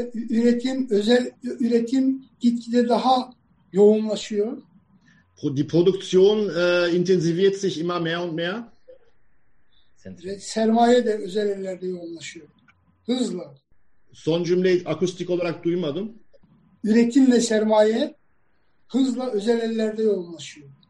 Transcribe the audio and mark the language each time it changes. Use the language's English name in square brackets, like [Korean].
[Turkish] Üretim gitgide daha yoğunlaşıyor. [German] Die Produktion intensiviert sich immer mehr und mehr. [Turkish] Ve sermaye de özel ellerde yoğunlaşıyor. Hızla. Son cümleyi akustik olarak duymadım. Üretim ve sermaye hızla özel ellerde yoğunlaşıyor.